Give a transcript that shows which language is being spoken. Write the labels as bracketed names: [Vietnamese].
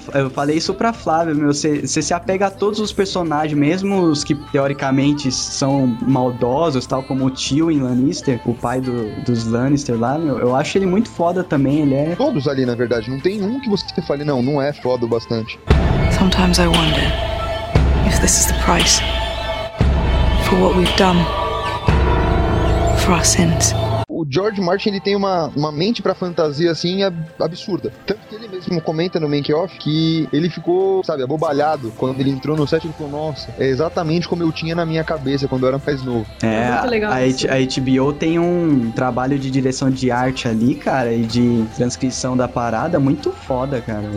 [Portuguese] Eu falei isso pra Flávia, meu. Você se apega a todos os personagens, mesmo os que, teoricamente, são maldosos, tal, como o tio em Lannister, o pai dos Lannister lá, meu. Eu acho ele muito foda também, ele é... Todos ali, na verdade. Não tem um que você fale, não é foda o bastante. [English] Sometimes I wonder if this is the price for what we've done, for our sins. [Portuguese] O George Martin, ele tem uma mente pra fantasia, assim, absurda. Tanto que ele mesmo comenta no make-off que ele ficou, sabe, abobalhado. Quando ele entrou no set, ele falou, nossa, é exatamente como eu tinha na minha cabeça quando eu era mais novo. É, muito legal. A HBO tem um trabalho de direção de arte ali, cara, e de transcrição da parada muito foda, cara.